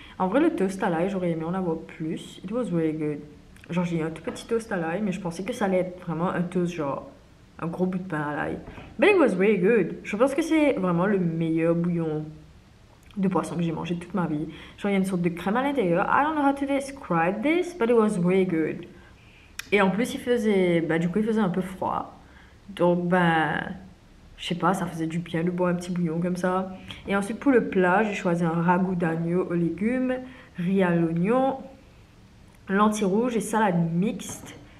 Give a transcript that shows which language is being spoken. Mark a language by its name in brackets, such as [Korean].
[French] En vrai, le toast à l'ail, j'aurais aimé en avoir plus. [English] It was really good. [French] Genre j'ai eu un tout petit toast à l'ail, mais je pensais que ça allait être vraiment un toast genre un gros bout de pain à l'ail. [English] But it was really good. [French] Je pense que c'est vraiment le meilleur bouillon de poisson que j'ai mangé toute ma vie. Genre il y a une sorte de crème à l'intérieur. [English] I don't know how to describe this, but it was really good. [French] Et en plus il faisait, bah du coup il faisait un peu froid. Donc ben, je sais pas, ça faisait du bien de boire un petit bouillon comme ça. Et ensuite pour le plat, j'ai choisi un ragoût d'agneau aux légumes, riz à l'oignon, lentilles rouges et salade mixte.